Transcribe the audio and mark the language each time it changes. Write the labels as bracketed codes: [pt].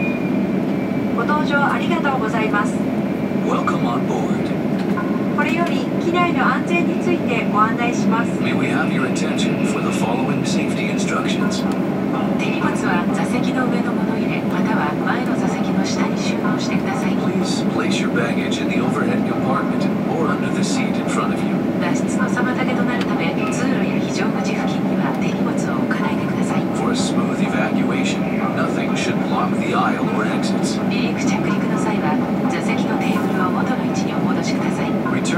[ja] ありがとうございます。 [en] Welcome on board. [ja] これより機内の安全についてご案内します。 [en] May we have your attention for the following safety instructions. [ja] 手荷物は座席の上の物入れまたは前の座席の下に収納してください。 [en] Please place your baggage in the overhead compartment or under the seat in front of you. [ja] 脱出の妨げとなるため通路や非常口付近には手荷物を置かないでください。 [en] For a smooth evacuation, nothing should block the aisle or exits. [ja] 離陸着陸の際は座席のテーブルを元の位置にお戻しください。